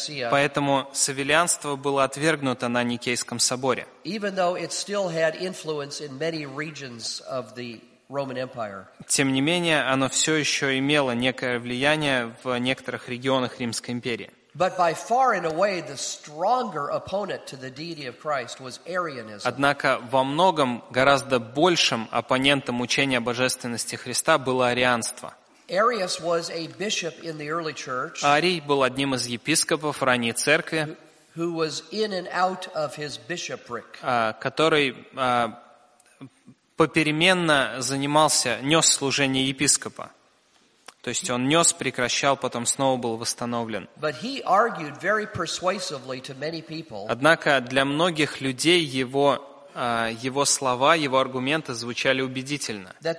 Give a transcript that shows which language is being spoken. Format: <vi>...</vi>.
<ru>Поэтому сабеллианство было отвергнуто на Никейском соборе. Тем не менее, оно все еще имело некое влияние в некоторых регионах Римской империи.</ru> <en>But by far and away the stronger opponent to the deity of Christ was Arianism.</en> <ru>Однако во многом гораздо большим оппонентом учения о божественности Христа было арианство.</ru> <en>Arius was a bishop in the early church.</en> <ru>Арий был одним из епископов ранней церкви.</ru> <en>Who was in and out of his bishopric.</en> <ru>Который попеременно занимался, нес служение епископа. То есть он нес, прекращал, потом снова был восстановлен. Однако для многих людей его слова, его аргументы звучали убедительно.</ru>